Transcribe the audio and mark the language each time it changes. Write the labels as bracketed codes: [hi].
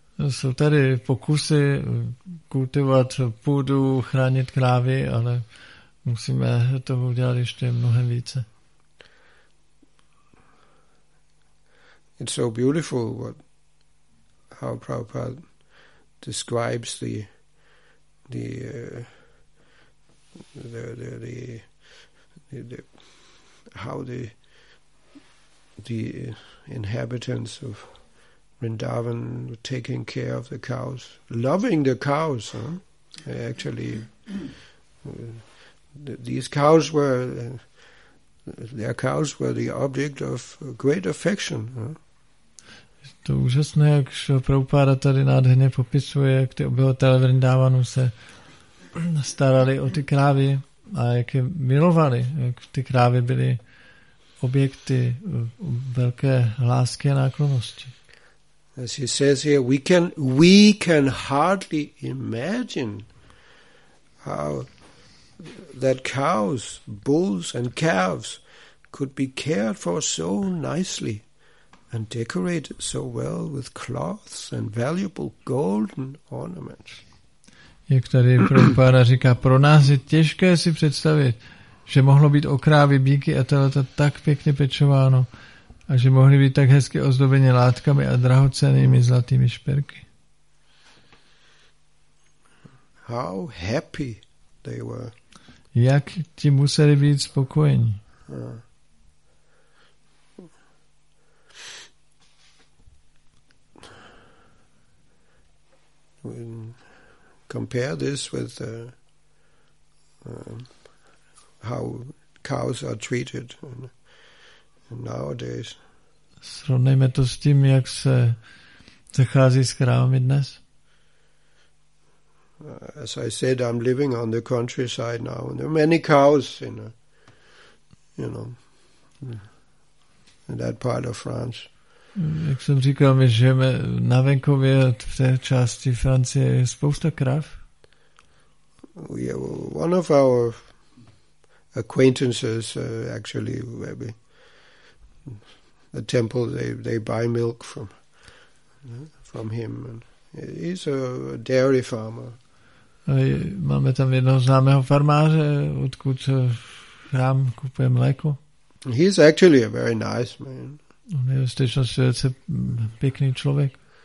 [cs] Jsou tady pokusy kultivovat půdu, chránit krávy, ale musíme toho udělat ještě mnohem více. [en] It's so beautiful how Prabhupada describes the inhabitants of Vrindavan taking care of the cows, loving the cows, huh? Actually, their cows were the object of great affection. Huh? [cs] To úžasné, jak Prabhupada tady nádherně popisuje, jak ty obyvatelé Vrindavanu se starali o ty krávy a jak je milovali, jak ty krávy byly objekty velké lásky a náklonosti. [en] As he says here, we can hardly imagine how that cows, bulls and calves could be cared for so nicely and decorated so well with cloths and valuable golden ornaments. [cs] Jak tady Prabhupada říká, pro nás je těžké si představit, že mohlo být o krávy, bíky a telata tak pěkně pečováno a že mohly být tak hezky ozdobeny látkami a drahocennými zlatými šperky. [en] How happy they were. [cs] Jak ti museli být spokojeni. [en] Compare this with how cows are treated nowadays. [cs] Srovnejme to s tím, jak se zachází s krávami dnes. [en] As I said, I'm living on the countryside now, and there are many cows in a, in that part of France. [cs] Jak jsem říkal, my žijeme na venkově, v té části Francie je spousta krav. [en] One of our acquaintances actually maybe the temple they buy milk from him, and he's a dairy farmer. [cs] Máme tam jednoho známého farmáře, odkud chrám kupuje mléko. [en] He's actually a very nice man. [cs] On je skutečně velice pěkný člověk.